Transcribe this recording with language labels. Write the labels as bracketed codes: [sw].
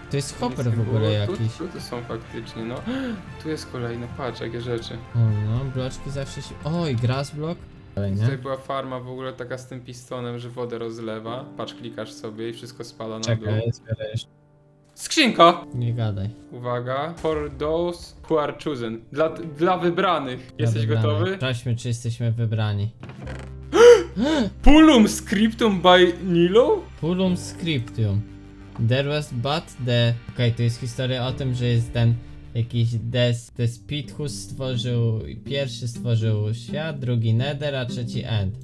[pl] To jest hopper w ogóle jakiś. Tu to są faktycznie, no. Tu jest kolejny, patrz, jakie rzeczy. O, no, bloczki zawsze się... O, i grass block. Nie? Tutaj była farma w ogóle taka z tym pistonem, że wodę rozlewa. Patrz, klikasz sobie i wszystko spada na dół. Skrzynka! Nie gadaj. Uwaga. [en] For those who are chosen. [pl] Dla wybranych. Dla jesteś wybranych. Gotowy? Sprawdźmy, czy jesteśmy wybrani. Pulum scriptum by Nilo? [en] Pulum scriptum. There was but the... [pl] Okej, to jest historia o tym, że jest ten... Jakiś Despithus stworzył, pierwszy stworzył świat, drugi Nether, a trzeci End.